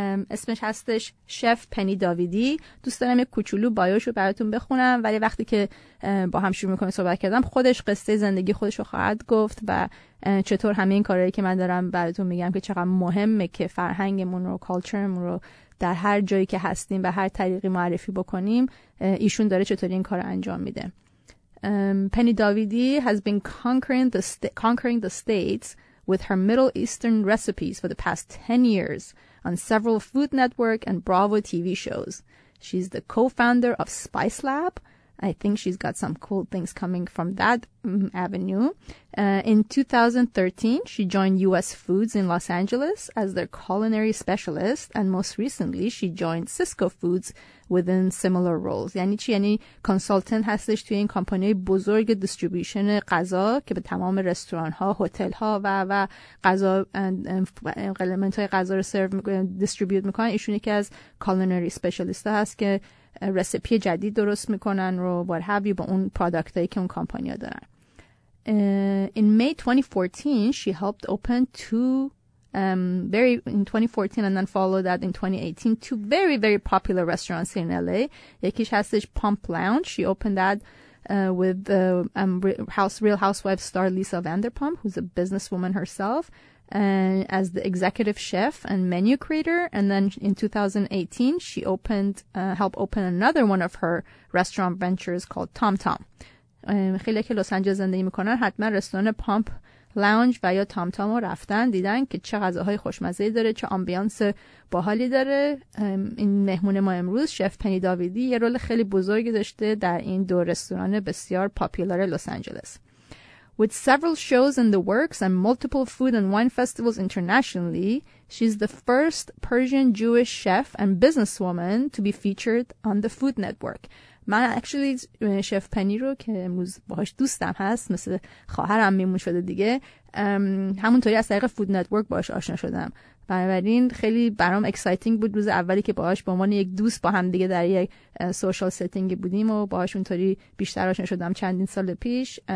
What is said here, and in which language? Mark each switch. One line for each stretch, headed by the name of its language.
Persian: اسمش هستش شف پنی داویدی. دوست دارم یک کوچولو بایوشو براتون بخونم، ولی وقتی که با هم شروع میکنم صحبت کردم خودش قصه زندگی خودش رو خواهد گفت و چطور همه این کارهایی که من دارم براتون میگم که چقدر مهمه که فرهنگمون رو، کالچرمون رو در هر جایی که هستیم به هر طریقی معرفی بکنیم، ایشون داره چطوری این کار انجام میده.
English: Penny Davidi has been conquering the states with her Middle Eastern recipes for the past 10 years on several Food Network and Bravo TV shows. She's the co-founder of Spice Lab. I think she's got some cool things coming from that avenue. In 2013, she joined U.S. Foods in Los Angeles as their culinary specialist. And most recently, she joined Cisco Foods within similar roles.
Persian: یعنی چی؟ یعنی کنسالتنت هستش توی این کمپانی بزرگ دیستریبیوشن غذا که به تمام رستوران ها، هتل ها و و غذا قلمنت های غذا رو سرو دیستریبیوت میکنن. ایشون یکی از کالینری اسپشیالیست ها هست که رسیپی جدید درست میکنن رو
English: what have you
Persian: با اون پرادکت هایی که اون کمپانی ها دارن.
English: In May 2014 she helped open in 2014 and then followed that in 2018 two very very popular restaurants in LA.
Persian: Yekish hastish
English: Pump Lounge, she opened that with the Real Housewives star Lisa Vanderpump, who's a businesswoman herself, and as the executive chef and menu creator. And then in 2018 she helped open another one of her restaurant ventures called Tom Tom.
Persian: خیلی که لس آنجلس زندگی میکنن حتما رستوران پامپ لاونج و یا تام تام رو رفتن، دیدن که چه غذاهای خوشمزه‌ای داره، چه آمبیانس باحالی داره. این مهمون ما امروز شف پنی داویدی یه رول خیلی بزرگی داشته در این دو رستوران بسیار پاپولار لس آنجلس.
English: With several shows in the works and multiple food and wine festivals internationally, she's the first Persian Jewish chef and businesswoman to be featured on the Food Network.
Persian: من اکچولی شف پنی رو که امروز باهاش دوستم هست، مثل خواهرم میمون شده دیگه، همونطوری از طریق فود نتورک باهاش آشنا شدم. بنابراین خیلی برام اکسایتینگ بود روز اولی که باهاش به عنوان یک دوست با هم دیگه در یک سوشال ستینگ بودیم و باهاش اونطوری بیشتر آشنا شدم چندین سال پیش.